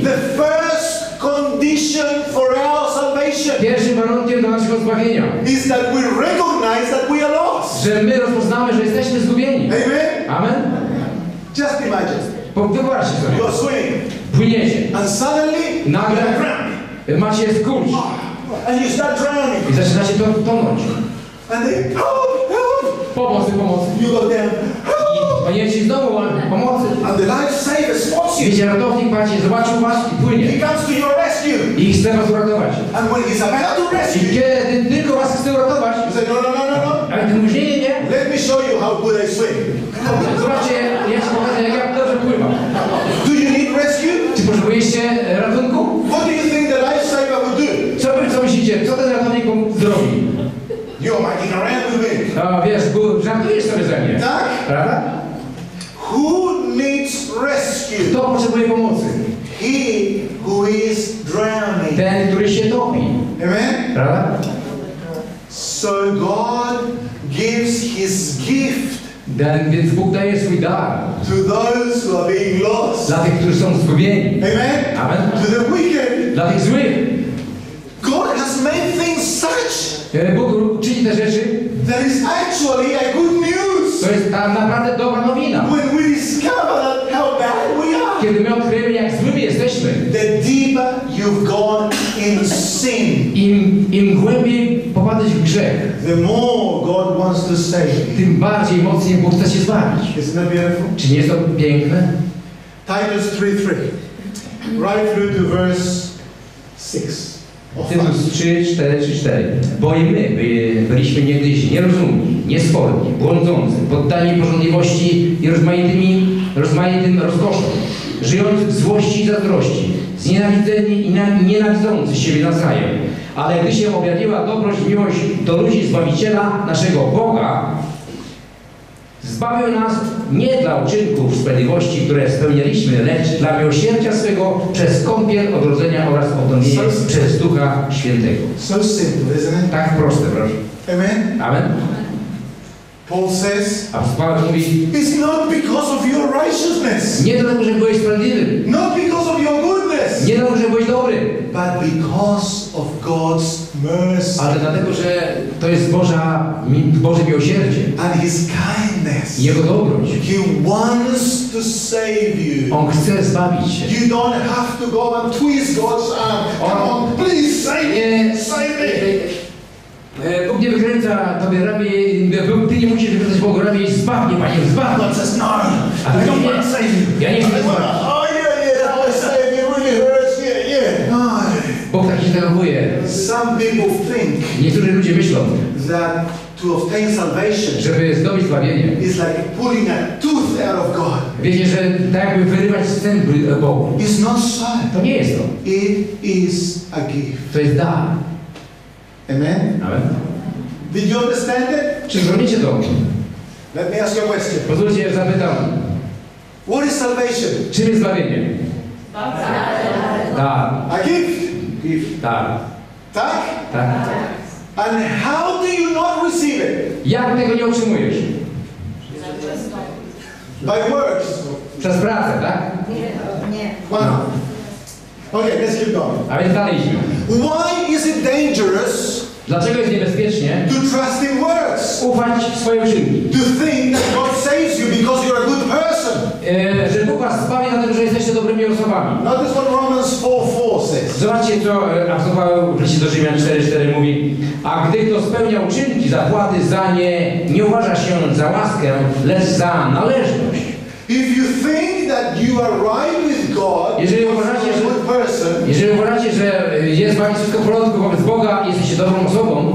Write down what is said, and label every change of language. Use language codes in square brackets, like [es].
[en] The first condition for our [pl] pierwszym warunkiem do naszego zbawienia [en] is that we recognize that we are lost. [pl] Że my rozpoznamy, że jesteśmy zgubieni. [en] Amen. [pl] Amen. [en] Just imagine. [pl] Wyobraź się sobie. [en] You're swimming. [pl] Płyniecie. [en] And suddenly, [pl] nagle [en] you're [pl] macie skurcz. [en] And you start drowning. [pl] I zaczyna się tonąć. [en] And then, help, help. [pl] Pomocy, pomocy. [en] You go down. Help. [pl] I znowu, pomocy. [en] And the lifesaver spots you. [pl] Wiecie, ratownik macie, zobaczył was i płynie. [en] He comes to your rescue. [pl] I chce was uratować. [en] And when he's about to rescue. [pl] I kiedy tylko was chce uratować. [en] You say, no. [pl] Ale ty mówisz, nie. [en] Let me show you how good I swim. [pl] Zobaczcie, ja ci pokażę, jak ja dobrze pływam. [en] Do you need rescue? [pl] Czy potrzebujecie ratunku? [en] What do you think the lifesaver will do? [pl] Co myślicie? Co ten ratownik zrobi? [en] You're making a rant with me. [pl] A wiesz, żartujesz sobie ze mnie. Tak? Prawda? [en] Who needs rescue? [pl] Kto potrzebuje pomocy? [en] He who is drowning. [pl] Ten, który się topi. [en] Amen? [pl] Prawda? [en] So God gives his gift. [pl] Więc Bóg daje swój dar. [en] To those who are being lost. [pl] Dla tych, którzy są zgubieni. [en] Amen? [pl] Amen? [en] To the wicked. [pl] Dla tych złych. [en] God has made things such. [pl] Bóg czyni te rzeczy. [en] There is actually a good news. [pl] To jest ta naprawdę dobra nowina. [en] When we discover how bad we are. [pl] Kiedy my odkryjemy, jak złymi jesteśmy. [en] The deeper you've gone in sin. [pl] Im głębiej popadłeś w grzech. [en] The more God wants to save. [pl] Tym bardziej mocniej Bóg chce się zbawić. [en] Isn't that beautiful? [pl] Czy nie jest to piękne? [en] Titus 3:3. Right through to verse 6. [pl] Tytus 3:4-4. Bo i my byliśmy niegdyś nierozumni, niesforni, błądzący, poddani porządliwości i rozmaitym rozkoszom, żyjący w złości i zazdrości, znienawidzeni i nienawidzący siebie nawzajem. Ale gdy się objawiła dobroć i miłość do ludzi Zbawiciela naszego Boga, zbawił nas nie dla uczynków sprawiedliwości, które spełnialiśmy, lecz dla miłosierdzia swego przez kąpiel odrodzenia oraz odnowienie przez Ducha Świętego. [en] So simple, isn't it? [pl] Tak proste, proszę. [en] Amen. [pl] Amen. [en] Paul says, [pl] a Paweł mówi, [en] it's not because of your righteousness. [pl] Nie dlatego, że byłeś sprawiedliwy. [en] Not because of your goodness. [pl] Nie dlatego, że byłeś dobry. [en] But because of God's mercy. [pl] Ale dlatego, że to jest Boże miłosierdzie. [en] And his kindness. [pl] Jego dobroć. [en] He wants to save you. [pl] On chce zbawić się. [en] You don't have to go and twist God's arm. Come on, please save me. [pl] Bóg nie wykręca tobie ramię, ty nie musisz wykręcać Bogu ramię i zbaw mnie, Panie, zbaw mnie. [en] God says, no, I don't want to save you. [pl] Ja nie chcę zbawić. [en] Oh, yeah, I want to save you, really hurts, yeah. [pl] Bóg tak się zachowuje. [en] Some people think, [pl] niektórzy ludzie myślą, [en] that to obtain salvation, [pl] żeby zdobyć zbawienie, [en] is like pulling a tooth out of God. [pl] Wiecie, że tak jakby wyrywać zęby Bogu. [en] It's not so. [pl] To nie jest to. [en] It is a gift. [pl] To jest dar. [en] Amen? [pl] Amen. [en] Did you understand it? [pl] Czy zrozumiecie to? [en] Let me ask you a question. [pl] Pozwólcie, ja zapytam. [en] What is salvation? [pl] Czym jest zbawienie? Dar. [en] A gift? Gift. [pl] Tak? Tak. [en] And how do you not receive it? [pl] Jak tego nie otrzymujesz? [en] By works. [pl] Przez pracę, tak? Nie. [en] Okay, let's keep going. [pl] A więc dalej. [en] Why is it dangerous? [pl] Dlaczego jest niebezpiecznie? [en] To trust in words. [pl] Ufać w swoje uczynki. [en] To think that God saves you because you're a good person. [pl] Że Bóg was zbawi dlatego, że jesteście dobrymi osobami. [en] Notice what Romans 4:4 says. [pl] Zobaczcie, co apostoł Paweł w liście do Rzymian 4:4 mówi. A gdy kto spełnia uczynki, zapłaty za nie, nie uważa się za łaskę, lecz za należność. [en] If you think that you are right with God, [pl] jeżeli uważacie, [en] you're a good person, [pl] jeżeli uważacie, że jest wam wszystko w porządku wobec Boga, jesteście dobrą osobą,